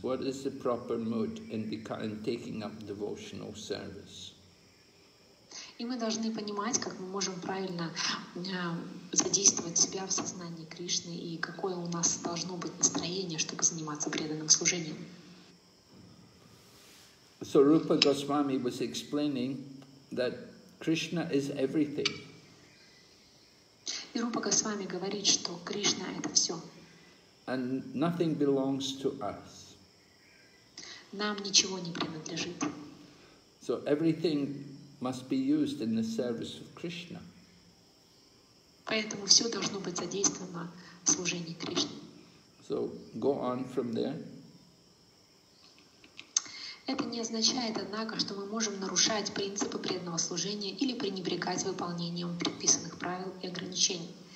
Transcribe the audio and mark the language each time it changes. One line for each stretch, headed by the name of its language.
English: What is the proper mood in taking up devotional service?
Russian: И мы должны понимать, как мы можем правильно задействовать себя в сознании Кришны и какое у нас должно быть настроение, чтобы заниматься преданным служением.
English: So Rupa Goswami was explaining that Krishna is everything.
Russian: И Рупа Госвами говорит, что Кришна — это все.
English: And nothing belongs to us.
Russian: Нам ничего не принадлежит.
English: So everything must be used in the service of Krishna.
Russian: Поэтому все должно быть задействовано в служении Кришне.
English: So go on from there.
Russian: Это не означает, однако, что мы можем нарушать принципы преданного служения или пренебрегать выполнением предписанных правил и ограничений.